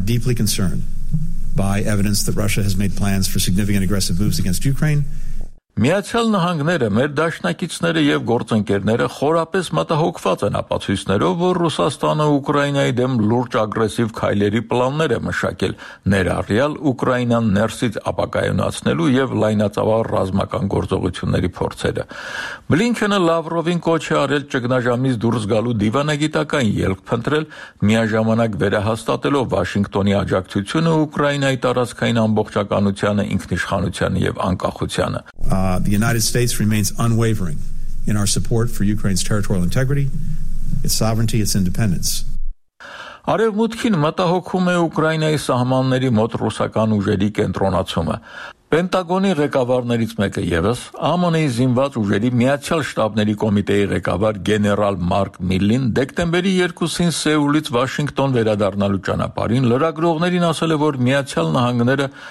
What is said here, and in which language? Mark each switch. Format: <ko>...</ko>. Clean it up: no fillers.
<en>By evidence that Russia has made plans for significant aggressive moves against Ukraine.</en> <hy>Միացյալ Նահանգները, մեր դաշնակիցները եւ գործընկերները խորապես մտահոգված են ապացույցներով, որ Ռուսաստանը Ուկրաինայի դեմ լուրջ ագրեսիվ քայլերի պլաններ է մշակել՝ ներառյալ Ուկրաինան ներսից ապակայունացնելու եւ լայնածավալ ռազմական գործողությունների փորձերը։ Բլինքենը Լավրովին կոչ է արել ճգնաժամից դուրս գալու դիվանագիտական ելք փնտրել, միաժամանակ վերահաստատելով Վաշինգտոնի աջակցությունը Ուկրաինայի տարածքային ամբողջականությանը, ինքնիշխանությանը եւ անկախությանը։</hy> <en>The United States remains unwavering in our support for Ukraine's territorial integrity, its sovereignty, its independence.</en> <hy>Արևմուտքին մտահոգում է Ուկրաինայի սահմանների մոտ ռուսական ուժերի կենտրոնացումը։ Պենտագոնի ղեկավարներից մեկը եւս ԱՄՆ-ի զինված ուժերի միացյալ շտաբների կոմիտեի ղեկավար գեներալ Մարկ Միլլին դեկտեմբերի 2-ին Սեուլից Վաշինգտոն վերադառնալու ճանապարհին լրագրողներին ասել է, որ միացյալ նահանգները</hy>